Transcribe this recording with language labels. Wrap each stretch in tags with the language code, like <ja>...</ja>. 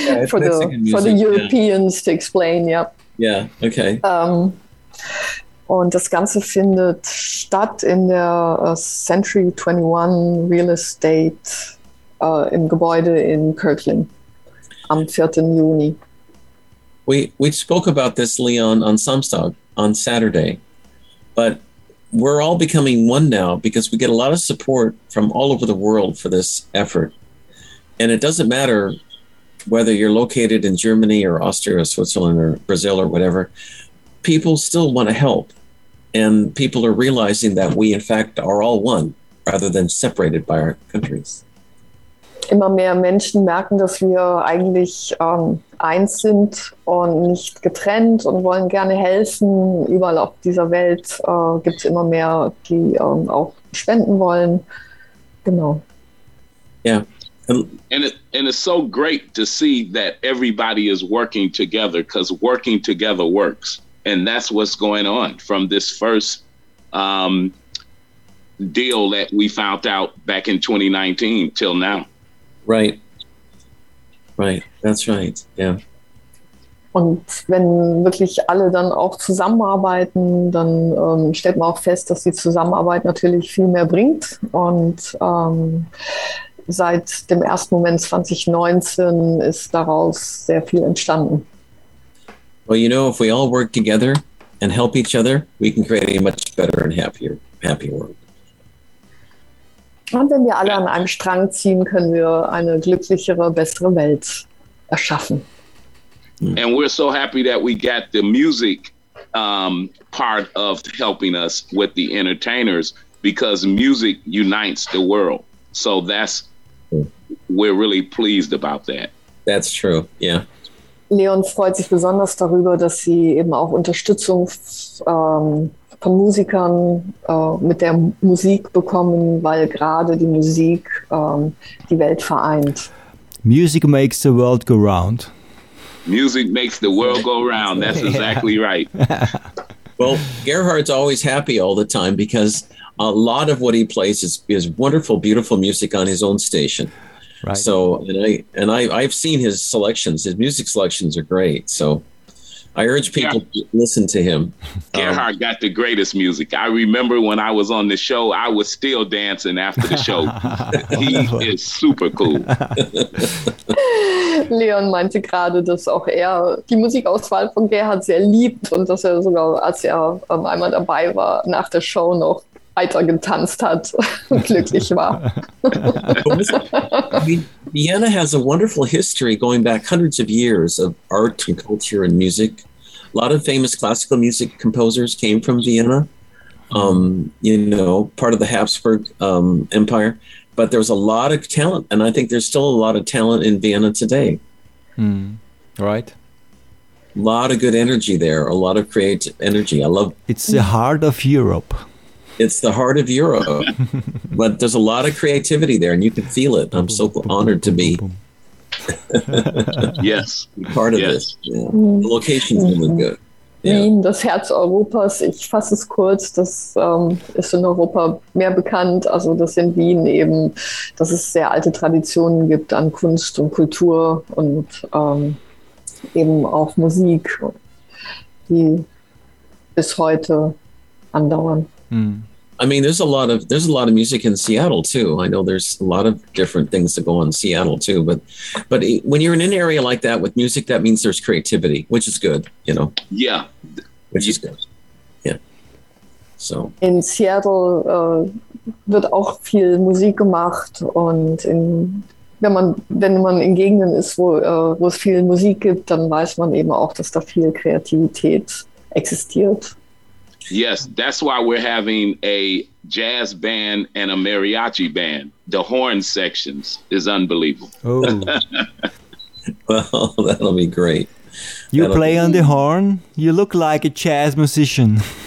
<en>for the Europeans to explain, yeah. Yeah, okay.</en> <de>Und das Ganze findet statt in der Century 21 Real Estate im Gebäude in Kirkland. Am 4. Juni.</de> <en>We spoke about this, Leon, on Samstag, on Saturday. But we're all becoming one now because we get a lot of support from all over the world for this effort. And it doesn't matter whether you're located in Germany or Austria or Switzerland or Brazil or whatever. People still want to help. And people are realizing that we, in fact, are all one rather than separated by our countries.</en> <de>Immer mehr Menschen merken, dass wir eigentlich eins sind und nicht getrennt und wollen gerne helfen. Überall auf dieser Welt gibt es immer mehr, die auch spenden wollen. Genau.</de> <en>Yeah. And it's so great to see that everybody is working together, because working together works. And that's what's going on from this first deal that we found out back in 2019 till now. Right. Right. That's right. Yeah.</en> <de>Und wenn wirklich alle dann auch zusammenarbeiten, dann stellt man auch fest, dass die Zusammenarbeit natürlich viel mehr bringt. Und seit dem ersten Moment 2019 ist daraus sehr viel entstanden.</de> <en>Well, you know, if we all work together and help each other, we can create a much better and happier world.</en> <de>Und wenn wir alle an einem Strang ziehen, können wir eine glücklichere, bessere Welt erschaffen.</de> <en>And we're so happy that we got the music part of helping us with the entertainers, because music unites the world. So that's, we're really pleased about that. That's true, yeah.</en> <de>Leon freut sich besonders darüber, dass sie eben auch Unterstützung von Musikern mit der Musik bekommen, weil gerade die Musik die Welt vereint.</de> <en>Music makes the world go round. Music makes the world go round. That's exactly right. Well, Gerhard's always happy all the time because a lot of what he plays is wonderful, beautiful music on his own station. Right. So, I've seen his selections. His music selections are great. So I urge people to listen to him. Gerhard got the greatest music. I remember when I was on the show, I was still dancing after the show. He is super cool.</en> <de>Leon meinte gerade, dass auch er die Musikauswahl von Gerhard sehr liebt und dass er sogar, als er einmal dabei war, nach der Show noch weiter getanzt hat und glücklich war.</de> <en>Vienna has a wonderful history going back hundreds of years of art and culture and music. A lot of famous classical music composers came from Vienna, part of the Habsburg Empire. But there was a lot of talent, and I think there's still a lot of talent in Vienna today. Mm, right. A lot of good energy there, a lot of creative energy. I love It's the heart of Europe. It's the heart of Europe. But there's a lot of creativity there, and you can feel it. I'm so honored to be yes. part of yes. this. Yeah. The location's really good.</en> <de>Wien, das Herz Europas, ich fasse es kurz, das ist in Europa mehr bekannt, also dass in Wien eben, dass es sehr alte Traditionen gibt an Kunst und Kultur und eben auch Musik, die bis heute andauern.</de> <en>Hm. I mean, there's a lot of music in Seattle too. I know there's a lot of different things that go on in Seattle too, but when you're in an area like that with music, that means there's creativity, which is good, you know? Yeah. Which is good. Yeah. So.</en> <de>In Seattle wird auch viel Musik gemacht und wenn man in Gegenden ist, wo es viel Musik gibt, dann weiß man eben auch, dass da viel Kreativität existiert.</de> <en>Yes, that's why we're having a jazz band and a mariachi band. The horn sections is unbelievable. Oh. Well, that'll be great. You play on the horn? You look like a jazz musician.</en>